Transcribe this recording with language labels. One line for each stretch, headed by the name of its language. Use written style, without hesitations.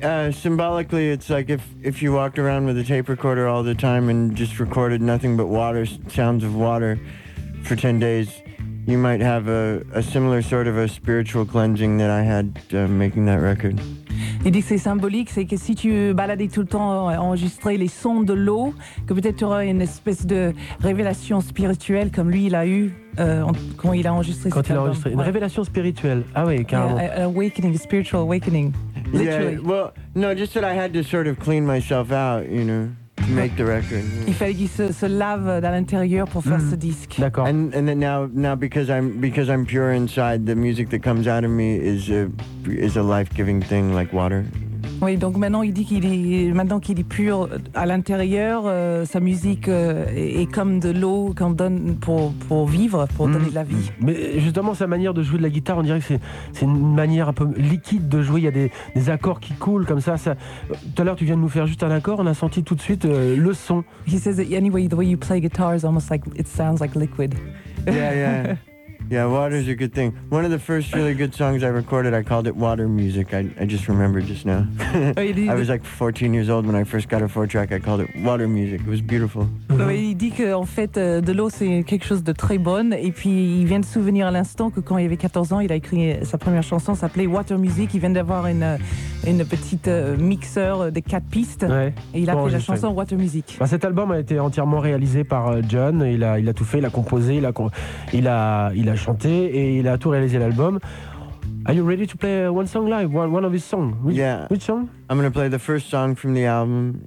English: Symbolically, it's like if you walked around with a tape recorder all the time and just recorded nothing but water, sounds of water, for 10 days, you might have a similar sort of a spiritual cleansing that I had making that record.
French: Il dit que c'est symbolique, c'est que si tu baladais tout le temps, enregistrais les sons de l'eau, que peut-être tu aurais une espèce de révélation spirituelle comme lui il a eu quand il a enregistré. Quand il a enregistré, une révélation spirituelle. Ah oui, carrément.
English: An awakening, a spiritual awakening. Literally. Yeah. Well, no, just that I had to sort of clean myself out, you know, to make the record. Yeah.
French: Il fallait qu'il se lave dans l'intérieur pour faire ce disque. D'accord.
English: And then now because I'm pure inside, the music that comes out of me is a life-giving thing like water.
French: Oui, donc maintenant il dit qu'il est pur à l'intérieur, sa musique est comme de l'eau qu'on donne pour vivre, pour donner de la vie. Mais justement, sa manière de jouer de la guitare, on dirait que c'est une manière un peu liquide de jouer. Il y a des accords qui coulent comme ça. Tout à l'heure, tu viens de nous faire juste un accord, on a senti tout de suite le son.
English: He says that anyway, the way you play guitar is almost like it sounds like liquid. Yeah, yeah. Yeah, water is a good thing. One of the first really good songs I recorded, I called it Water Music. I just remembered just now. I was like 14 years old when I first got a four-track. I called it Water Music. It was beautiful.
French: Il dit qu'en fait, de l'eau, c'est quelque chose de très bon. Et puis, il vient de souvenir à l'instant que quand il avait 14 ans, il a écrit sa première chanson, s'appelait Water Music. Il vient d'avoir une petite mixeur de quatre pistes. Ouais, et il a fait la chanson Water Music. Bah, cet album a été entièrement réalisé par John. Il a tout fait, il a composé, il a chanté et il a tout réalisé l'album.
English: Are you ready to play one song live? One of his songs? Which song? I'm going to play the first song from the album.